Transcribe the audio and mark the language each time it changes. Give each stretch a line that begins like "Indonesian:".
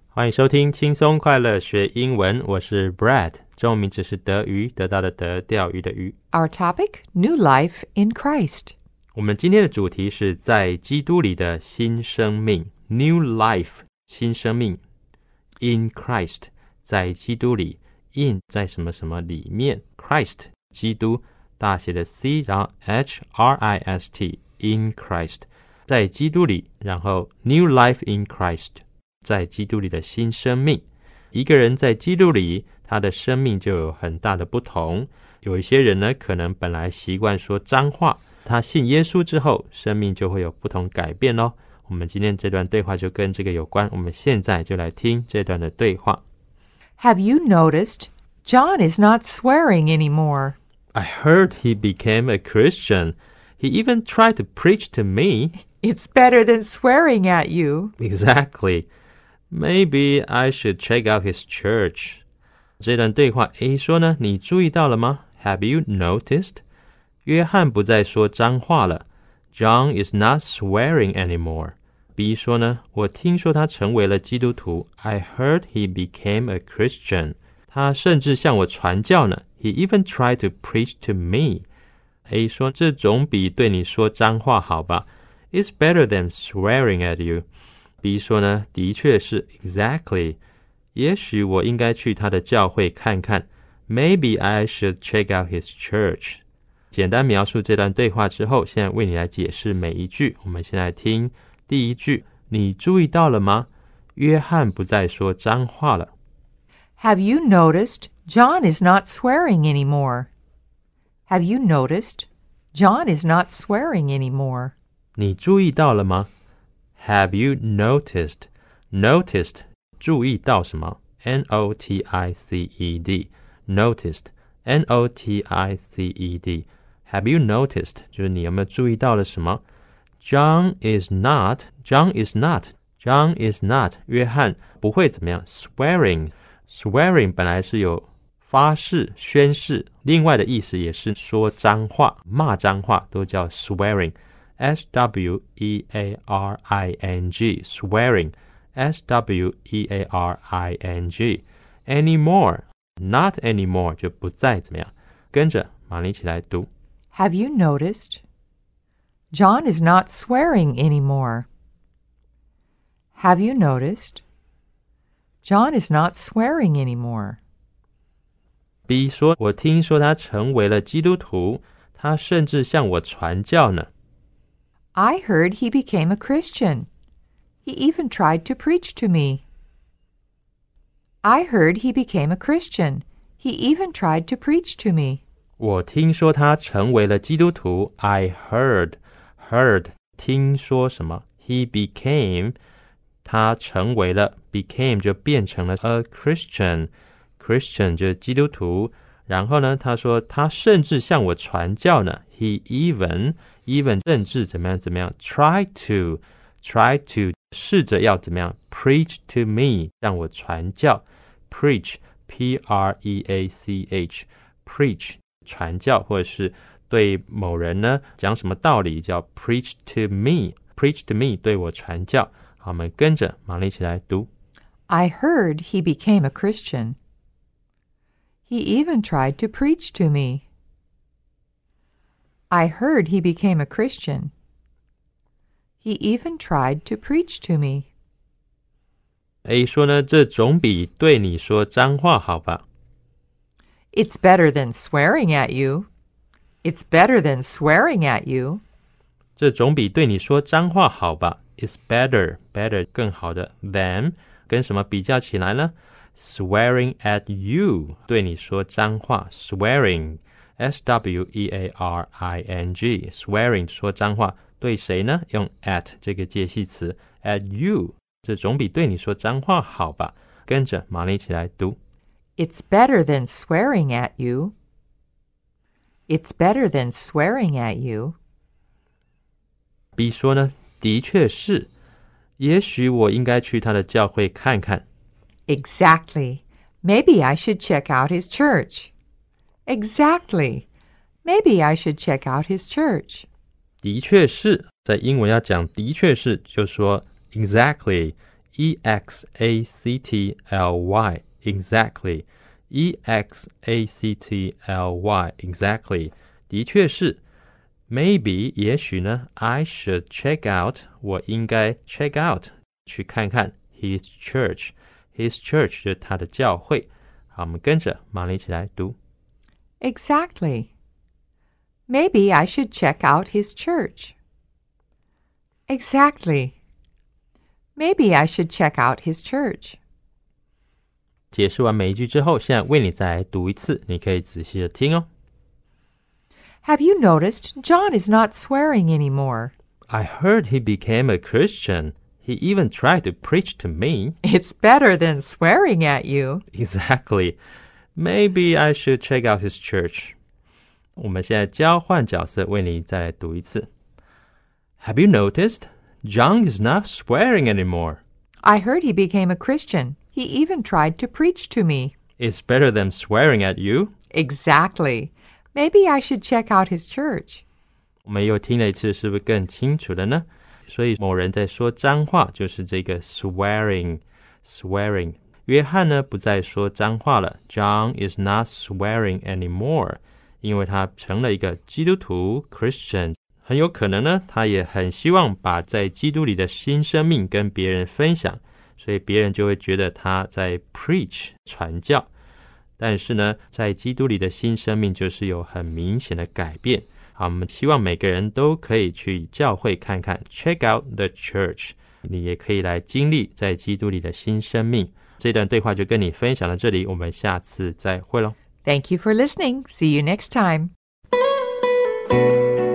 Chinese: 欢迎收听轻松快乐学英文。我是 Brad。中文名字是德鱼，得到的德，钓鱼的鱼。
English: Our topic: New Life in Christ.
Chinese: 我们今天的主题是在基督里的新生命。
English: New Life,
Chinese: 新生命。
English: In Christ,
Chinese: 在基督里。 In 在什么什么里面。 Christ, 基督，大写的 C, 然后 H-R-I-S-T,
English: In Christ.
Chinese: 在基督里，然后
English: New Life in Christ，
Chinese: 在基督里的新生命。一个人在基督里，他的生命就有很大的不同。有一些人呢，可能本来习惯说脏话，他信耶稣之后，生命就会有不同改变咯。我们今天这段对话就跟这个有关，我们现在就来听这段的对话。
English: Have you noticed John is not swearing anymore? I heard he became a Christian. He even tried to preach to me. It's better than swearing at you. Exactly. Maybe I should check out his church.
Chinese: 这段对话 A 说呢，你注意到了吗？
English: Have you noticed?
Chinese: 约翰不再说脏话了。
English: John is not swearing anymore.
Chinese: B 说呢，我听说他成为了基督徒。
English: I heard he became a Christian.
Chinese: 他甚至向我传教呢。
English: He even tried to preach to me.
Chinese: A 说这总比对你说脏话好吧。
English: It's better than swearing at you.
Chinese: B 说呢，的确是 exactly. 也许我应该去他的教会看看。
English: Maybe I should check out his church.
Chinese: 简单描述这段对话之后，现在为你来解释每一句。我们先来听第一句。你注意到了吗？约翰不再说脏话了。
English: Have you noticed John is not swearing anymore? Have you noticed? John is not swearing anymore.
Chinese: 你注意到了吗?
English: Have you noticed?
Chinese: Noticed, 注意到什么?
English: N-O-T-I-C-E-D. Noticed, N-O-T-I-C-E-D. Have you noticed?
Chinese: 就是你有没有注意到了什么?
English: John is not.
Chinese: 约翰不会怎么样?Swearing. Swearing 本来是有发誓、宣誓，另外的意思也是说脏话、骂脏话，都叫 swearing， s w e a r i n g， swearing， s w e a r i n g， anymore，
English: not anymore，
Chinese: 就不再怎么样。跟着玛丽一起来读。
English: Have you noticed? John is not swearing anymore. Have you noticed? John is not swearing anymore.
Chinese: B 说，我听说他成为了基督徒，他甚至向我传教呢。
English: I heard he became a Christian. He even tried to preach to me. I heard he became a Christian. He even tried to preach to me.
Chinese: 我听说他成为了基督徒。
English: I heard, heard,
Chinese: 听说什么。
English: He became,
Chinese: 他成为了 ,became 就变成了
English: a Christian.
Chinese: Christian 就是基督徒，然后呢，他说他甚至向我传教呢。
English: He even
Chinese: 甚至怎么样
English: try to
Chinese: 试着要怎么样
English: preach to me
Chinese: 向我传教 preach p r e a c h preach 传教或者是对某人呢讲什么道理叫 preach to me 对我传教。好，我们跟着玛丽一起来读。
English: I heard he became a Christian. He even tried to preach to me. I heard he became a Christian. He even tried to preach to me.
Chinese: A 说呢，这总比对你说脏话好吧。
English: It's better than swearing at you. It's better than swearing at you.
Chinese: 这总比对你说脏话好吧。
English: It's better,
Chinese: 更好的 than 跟什么比较起来呢？
English: swearing at you,
Chinese: 对你说脏话 swearing, S-W-E-A-R-I-N-G, swearing, 说脏话对谁呢？用 at 这个介系词
English: at you,
Chinese: 这总比对你说脏话好吧？跟着玛丽一起来读。
English: It's better than swearing at you. It's better than swearing at you.
Chinese: B 说呢，的确是。也许我应该去他的教会看看。
English: Exactly. Maybe I should check out his church. Exactly. Maybe I should check out his church.
Chinese: 的确是，在英文要讲的确是，就说 exactly, E-X-A-C-T-L-Y. Exactly, E-X-A-C-T-L-Y, exactly, 的确是 Maybe, 也许呢
English: I should check out,
Chinese: 我应该 check out, 去看看
English: His church
Chinese: 就是他的教会好我们跟着玛丽一起来读
English: Exactly, maybe I should check out his church Exactly, maybe I should check out his church
Chinese: 解释完每一句之后，现在为你再读一次，你可以仔细的听哦。
English: Have you noticed John is not swearing anymore? I heard he became a Christian. He even tried to preach to me. It's better than swearing at you. Exactly. Maybe I should check out his church.
Chinese: 我们现在交换角色，为你再读一次。
English: Have you noticed John is not swearing anymore? I heard he became a Christian. He even tried to preach to me. It's better than swearing at you. Exactly. Maybe I should check out his church.
Chinese: 我们又听了一次，是不是更清楚了呢？所以某人在说脏话，就是这个 swearing, swearing. 约翰呢，不再说脏话了。
English: John is not swearing anymore.
Chinese: 因为他成了一个基督徒 Christian. 很有可能呢，他也很希望把在基督里的新生命跟别人分享。所以别人就会觉得他在 preach 传教，但是呢，在基督里的新生命就是有很明显的改变。好，我们希望每个人都可以去教会看看 ，
English: check out the church。
Chinese: 你也可以来经历在基督里的新生命。这段对话就跟你分享到这里，我们下次再会咯。
English: Thank you for listening. See you next time.